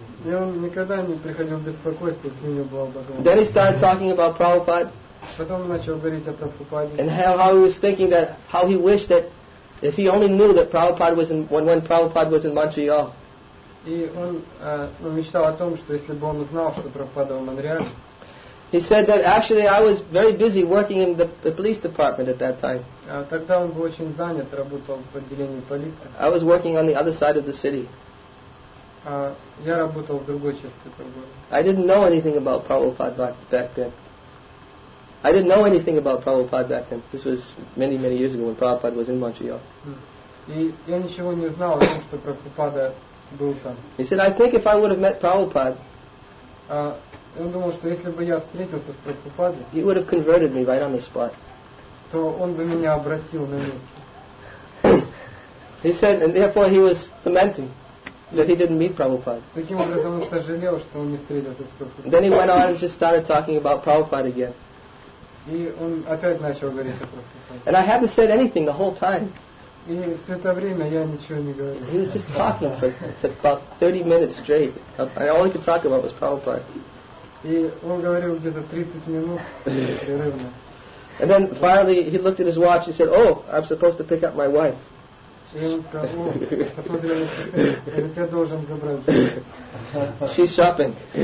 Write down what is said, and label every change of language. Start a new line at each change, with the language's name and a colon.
Russian: И он никогда не приходил в беспокойство, если не было Бхагавад-гиты.
English: Then he started talking about Prabhupada.
Russian: Потом начал говорить о Прабхупаде.
English: And how he was thinking that, how he wished that, if he only knew that Prabhupada was in, when Prabhupada was in Montreal.
Russian: И он мечтал о том, что если бы он узнал, что Прабхупада в Монреале.
English: He said that actually I was very busy working in the police department at that time.
Russian: Тогда он был очень занят, работал в отделении полиции.
English: I was working on the other side of the city.
Russian: Я работал в другой части города.
English: I didn't know anything about Prabhupada back then. I didn't know anything about Prabhupada back then. This was many, many years ago when Prabhupada was in Montreal.
Russian: И я ничего не знал о том, что Прабхупада был там.
English: He said, "I think if I would have met Prabhupada,
Russian: он думал, что если бы я встретился с Прабхупадой,
English: he would have converted me right on the spot.
Russian: То он бы меня обратил на место."
English: He said, and therefore he was lamenting. That he didn't meet Prabhupada.
Russian: Таким образом он сожалел, что он не встретился с Прабхупадой.
English: Then he went on and just started talking about Prabhupada again.
Russian: И он опять начал говорить о Прабхупаде.
English: And I hadn't said anything the whole time.
Russian: И все это время я ничего не говорил.
English: He was just talking for about 30 minutes straight. All he could talk about was Prabhupada.
Russian: И он говорил где-то 30 минут непрерывно.
English: And then finally he looked at his watch and said, "Oh, I'm supposed to pick up my wife." She's shopping.